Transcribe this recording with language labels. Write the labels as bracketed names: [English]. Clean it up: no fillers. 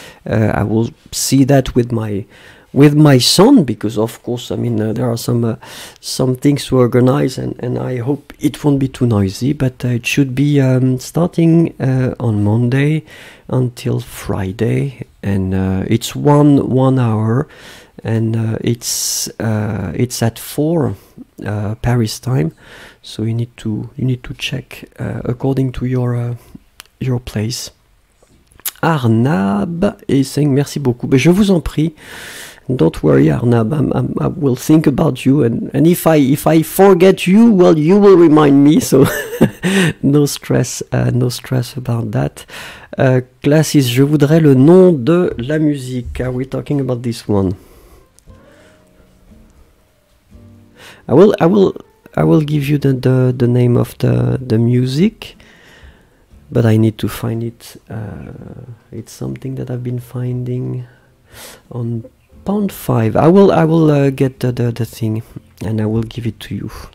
[English] I will see that with my son, because of course, I mean, there are some things to organize, and I hope it won't be too noisy, but it should be starting on Monday until Friday, and it's one hour, and it's at 4 Paris time, so you need to check according to your place. Arnab is saying [French] merci beaucoup, mais je vous en prie. [English] Don't worry, Arnab. I will think about you, and if I forget you, well, you will remind me. So, no stress about that. [French] Classis, je voudrais le nom de la musique. [English] Are we talking about this one? I will give you the name of the music. but I need to find it. It's something that I've been finding on Pound 5. I will get the thing and I will give it to you.